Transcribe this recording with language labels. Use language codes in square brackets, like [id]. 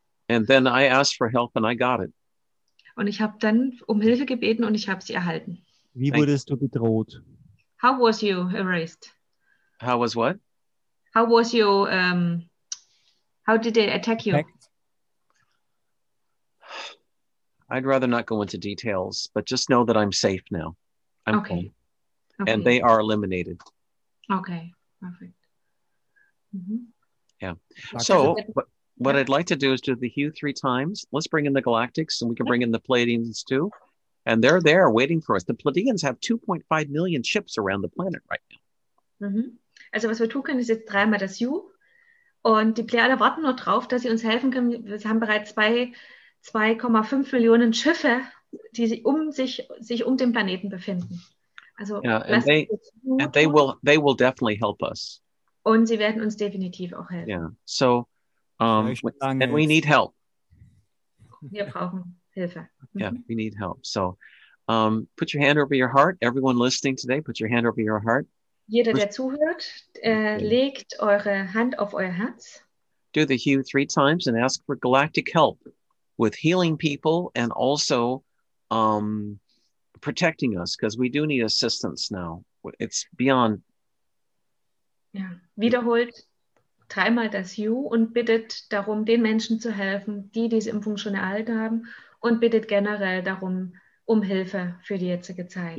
[en] And then I asked for help and I got it. [de] Und ich habe dann Hilfe gebeten und ich habe sie erhalten. Wie wurdest du bedroht? [en] How was you harassed? How was what? How was you how did they attack you? I'd rather not go into details, but just know that I'm safe now. I'm okay. Home. Okay. And they are eliminated. Okay, perfect. Mm-hmm. Yeah. So what I'd like to do is do the Hue three times. Let's bring in the Galactics and we can bring in the Pleiadians too. And they're there waiting for us. The Pleiadians have 2.5 million ships around the planet right now. Mm-hmm. [de] Also was wir tun können, ist jetzt dreimal das Hue. Und die Pleiade warten nur drauf, dass sie uns helfen können. Wir haben bereits 2,5 Millionen Schiffe, die sich um den Planeten befinden. Also, [en] they will definitely help us. [de] Und sie werden uns definitiv auch helfen. [en] Yeah. So, and we need help. [de] Wir brauchen Hilfe. [en] Yeah, we need help. So, put your hand over your heart. Everyone listening today, put your hand over your heart. [de] Jeder, der zuhört, legt eure Hand auf euer Herz. [en] Do the Hue three times and ask for galactic help. With healing people and also protecting us, because we do need assistance now. It's beyond. [de] Ja, wiederholt dreimal das You und bittet darum, den Menschen zu helfen, die diese Impfung schon erhalten haben, und bittet generell darum Hilfe für die jetzige Zeit.